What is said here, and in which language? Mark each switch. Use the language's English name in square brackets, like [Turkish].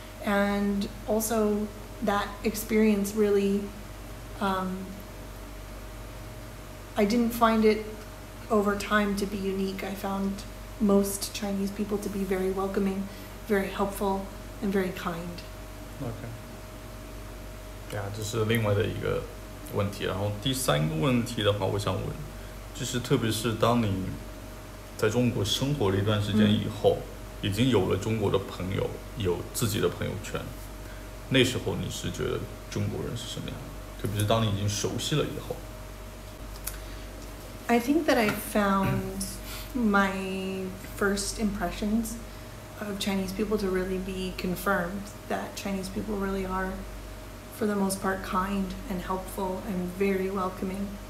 [English] And also that experience really, I didn't find it over time to be unique. I found most Chinese people to be very welcoming, very helpful, and very kind. Okay. Yeah, [Chinese] 这是另外的一个问题。然后第三个问题的话，我想问，就是特别是当你在中国生活了一段时间以后，已经有了中国的朋友，有自己的朋友圈，那时候你是觉得中国人是什么样？特别是当你已经熟悉了以后。 [English] I think that I found my first impressions of Chinese people to really be confirmed that Chinese people really are, for the most part, kind and helpful and very welcoming.